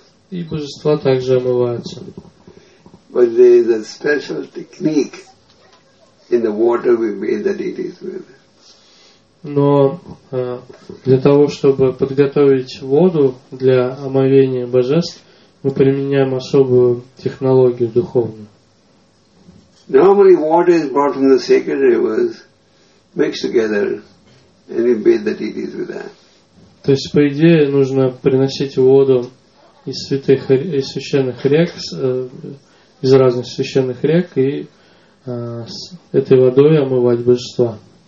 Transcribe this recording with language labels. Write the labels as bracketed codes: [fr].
[ru] И божества также омываются. [en] But there is a special technique in the water we bathe the deities with. [ru] Но для того, чтобы подготовить воду для омовения божеств, мы применяем особую технологию духовную. [en] Normally water is brought from the sacred rivers, mixed together, and we bathe the deities with that. [ru] То есть, по идее, нужно приносить воду из святых, из священных рек, из разных священных рек, и с этой водой омывать божества.